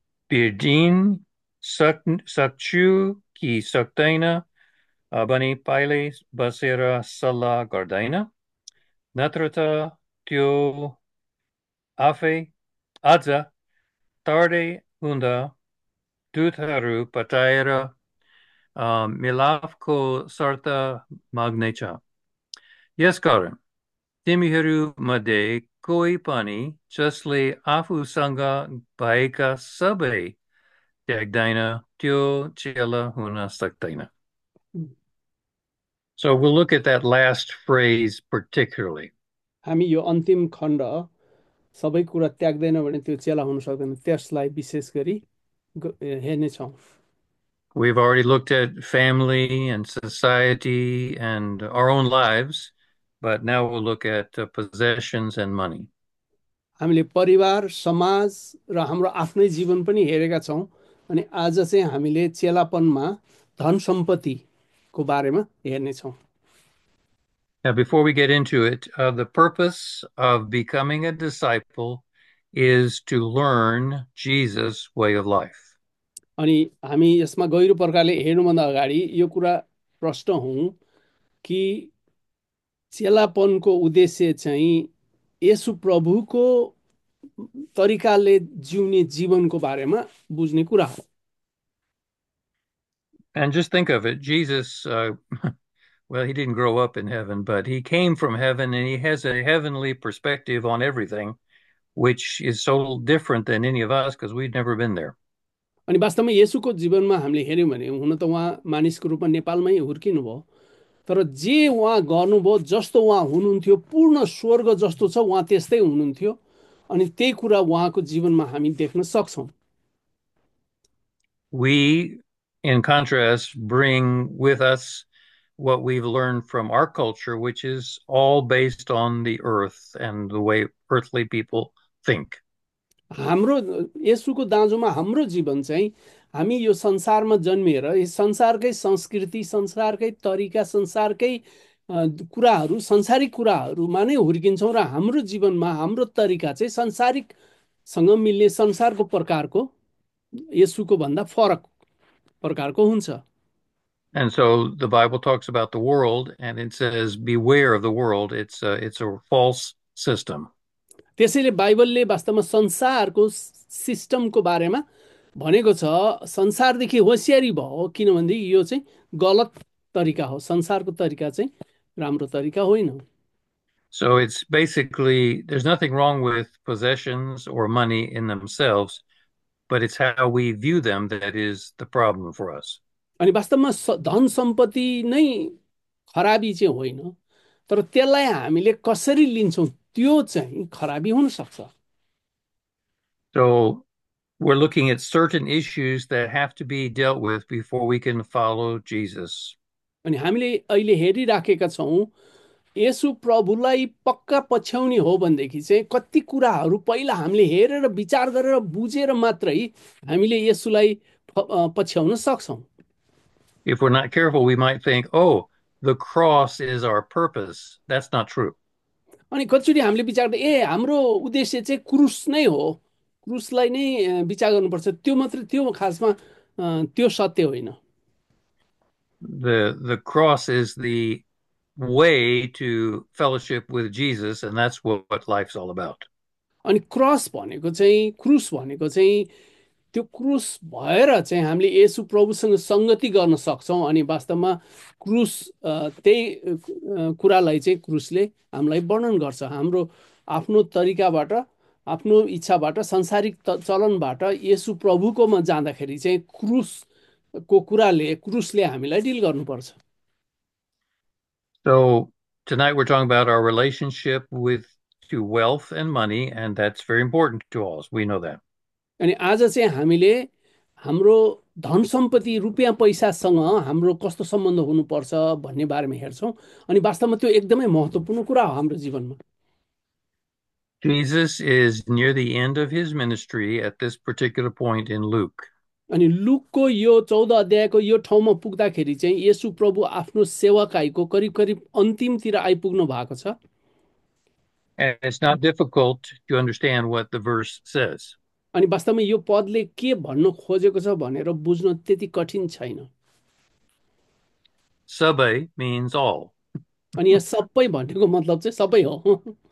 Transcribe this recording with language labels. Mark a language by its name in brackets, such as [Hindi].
[Nepali] भिडिन सक्छु कि सक्दैन भनी पहिले बसेर सल्लाह गर्दैन, नत्र त त्यो आफै आज तर्दै हुँदा दूतहरू पठाएर मिलापको शर्त माग्नेछ। यसकारण तिमीहरू मध्ये कोही पनि जसले आफूसँग भएका सबै त्याग्दैन त्यो चेला हुन सक्दैन। [English] So we'll look at that last phrase particularly. [Nepali] हामी यो अन्तिम खण्ड सबै कुरा त्याग्दैन भने त्यो चेला हुन सक्दैन त्यसलाई विशेष गरी हेर्नेछौँ। [English] We've already looked at family and society and our own lives, but now we'll look at possessions and money. [Nepali] हामीले परिवार, समाज र हाम्रो आफ्नै जीवन पनि हेरेका छौँ अनि आज चाहिँ हामीले चेलापनमा धन सम्पत्ति को बारेमा हेर्नेछौँ। [English] Now, before we get into it, the purpose of becoming a disciple is to learn Jesus' way of life. [Nepali] अनि हामी यसमा गहिरो प्रकारले हेर्नुभन्दा अगाडि यो कुरा प्रष्ट हुँ कि चेलापनको उद्देश्य चाहिँ येशु प्रभुको तरिकाले जिउने जीवनको बारेमा बुझ्ने कुरा हो। [English] And just think of it, Jesus, well, he didn't grow up in heaven, but he came from heaven and he has a heavenly perspective on everything, which is so different than any of us because we've never been there. [Nepali] अनि वास्तवमा येशुको जीवनमा हामीले हेऱ्यौँ भने हुन त उहाँ मानिसको रूपमा नेपालमै हुर्किनु भयो तर जे उहाँ गर्नुभयो जस्तो उहाँ हुनुहुन्थ्यो पूर्ण स्वर्ग जस्तो छ उहाँ त्यस्तै हुनुहुन्थ्यो अनि त्यही कुरा उहाँको जीवनमा हामी देख्न सक्छौँ। [English] We, in contrast, bring with us what we've learned from our culture, which is all based on the earth and the way earthly people think. [Nepali] हाम्रो येशुको दाजुमा हाम्रो जीवन चाहिँ हामी यो संसारमा जन्मिएर यस संसारकै संस्कृति, संसारकै तरिका, संसारकै कुराहरू, संसारिक कुराहरूमा नै हुर्किन्छौँ र हाम्रो जीवनमा हाम्रो तरिका चाहिँ संसारिकसँग मिल्ने संसारको प्रकारको येशुको भन्दा फरक प्रकारको हुन्छ। [English] And so the Bible talks about the world and it says beware of the world, it's a false system. [Nepali] त्यसैले बाइबलले वास्तवमा संसारको सिस्टमको बारेमा भनेको छ संसारदेखि होसियारी भयो किनभने यो चाहिँ गलत तरिका हो संसारको तरिका चाहिँ राम्रो तरिका होइन। [English] So it's basically there's nothing wrong with possessions or money in themselves, but it's how we view them that is the problem for us. [Nepali] अनि वास्तवमा धन सम्पत्ति नै खराबी चाहिँ होइन तर त्यसलाई हामीले कसरी लिन्छौँ त्यो चाहिँ खराबी हुन सक्छ। [English] So we're looking at certain issues that have to be dealt with before we can follow Jesus. [Nepali] अनि हामीले अहिले हेरिराखेका छौँ येशु प्रभुलाई पक्का पछ्याउने हो भनेदेखि चाहिँ कति कुराहरू पहिला हामीले हेरेर विचार गरेर बुझेर मात्रै हामीले येशुलाई पछ्याउन सक्छौँ। [English] If we're not careful, we might think, oh, the cross is our purpose. That's not true. [Nepali] अनि कतिचोटि हामीले विचार गर्दा ए हाम्रो उद्देश्य चाहिँ क्रुस नै हो क्रुसलाई नै विचार गर्नुपर्छ त्यो मात्रै त्यो खासमा त्यो सत्य होइन। [English] The cross is the way to fellowship with Jesus, and that's what life's all about. [Nepali] अनि क्रस भनेको चाहिँ क्रुस भनेको चाहिँ त्यो क्रुस भएर चाहिँ हामीले येशु प्रभुसँग सङ्गति गर्न सक्छौँ, अनि वास्तवमा क्रुस त्यही कुरालाई चाहिँ क्रुसले हामीलाई वर्णन गर्छ। हाम्रो आफ्नो तरिकाबाट, आफ्नो इच्छाबाट, सांसारिक चलनबाट येशु प्रभुकोमा जाँदाखेरि चाहिँ क्रुसको कुराले, क्रुसले हामीलाई डिल गर्नुपर्छ। [English] So tonight we're talking about our relationship with to wealth and money, and that's very important to us. We know that. [Nepali] अनि आज चाहिँ हामीले हाम्रो धन सम्पत्ति, रुपियाँ पैसासँग हाम्रो कस्तो सम्बन्ध हुनुपर्छ भन्ने बारेमा हेर्छौँ, अनि वास्तवमा त्यो एकदमै महत्त्वपूर्ण कुरा हो हाम्रो जीवनमा। [English] Jesus is near the end of his ministry at this particular point in Luke. [Nepali] अनि लुकको यो 14 अध्यायको यो ठाउँमा पुग्दाखेरि चाहिँ येशु प्रभु आफ्नो सेवाकाईको करिब करिब अन्तिमतिर आइपुग्नु भएको छ। [English] It's not difficult to understand what the verse says. [Nepali] अनि वास्तवमा यो पदले के भन्न खोजेको छ भनेर बुझ्न त्यति कठिन छैन। [English] Sabbe means all. [Nepali] अनि यहाँ सबै भनेको मतलब चाहिँ सबै हो।